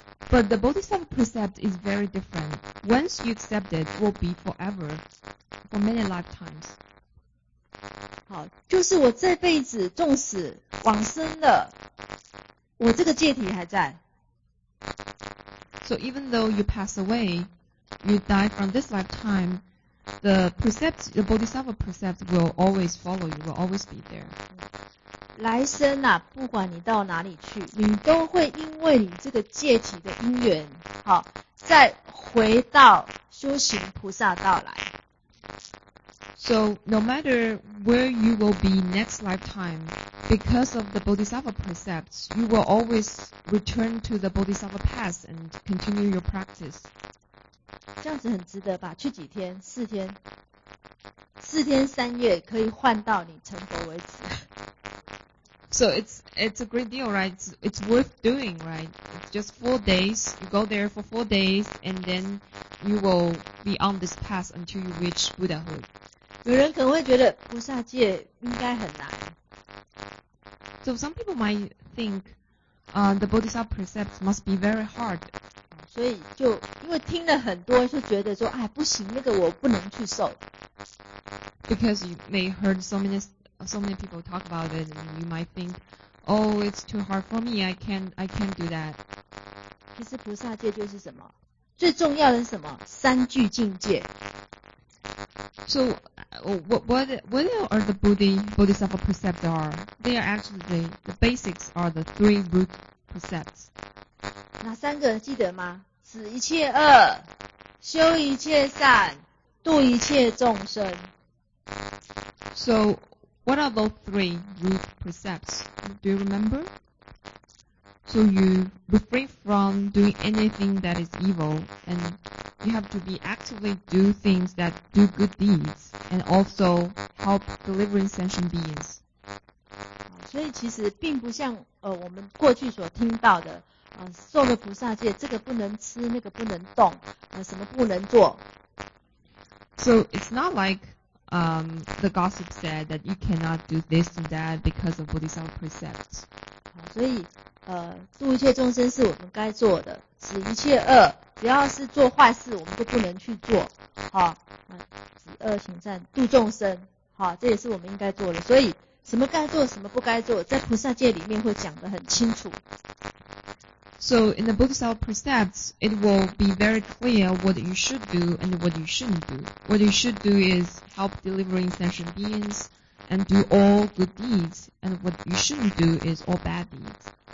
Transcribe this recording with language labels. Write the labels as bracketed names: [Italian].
[English] But the Bodhisattva precept is very different. Once you accept it, will be forever, for many lifetimes. [Chinese] 好，就是我这辈子纵使往生了，我这个戒体还在。 [English] So even though you pass away, you die from this lifetime, the precepts, the Bodhisattva precept will always follow you, will always be there. [Chinese] 来生啊，不管你到哪里去，你都会因为你这个戒体的因缘，好，再回到修行菩萨道来。 [English] So no matter where you will be next lifetime, because of the Bodhisattva precepts, you will always return to the Bodhisattva path and continue your practice. [Chinese] 这样子很值得吧？去几天？四天？四天三月可以换到你成佛为止。 [English] So it's a great deal, right? It's worth doing, right? It's just 4 days. You go there for 4 days, and then you will be on this path until you reach Buddhahood. [Chinese] 有人可能会觉得菩萨戒应该很难。 [English] So some people might think, the Bodhisattva precepts must be very hard. [Chinese] 所以就因为听了很多，就觉得说，哎，不行，那个我不能去受。 [English] Because you may heard so many people talk about it, and you might think, oh, it's too hard for me, I can't do that. [Chinese] 其实菩萨戒就是什么？最重要的是什么？三句境界。 [English] So, what are the Bodhisattva precepts are? They are actually, the basics are the three root precepts. [Chinese] 哪三个记得吗？止一切恶，修一切善，度一切众生。 [English] So,What are those three root precepts? Do you remember? So you refrain from doing anything that is evil, and you have to be actively do things that do good deeds, and also help delivering sentient beings. [Chinese] 所以其实并不像我们过去所听到的受了菩萨戒，这个不能吃，那个不能动，什么不能做。 [English] So it's not like the gossip said that you cannot do this and that because of bodhisattva precepts. [Chinese] 所以度一切众生是我们该做的，止一切恶，只要是做坏事我们都不能去做。好，止恶行善，度众生，好，这也是我们应该做的。所以什么该做，什么不该做，在菩萨戒里面会讲得很清楚。 [English] So in the Bodhisattva precepts, it will be very clear what you should do and what you shouldn't do. What you should do is help delivering sentient beings and do all good deeds, and what you shouldn't do is all bad deeds.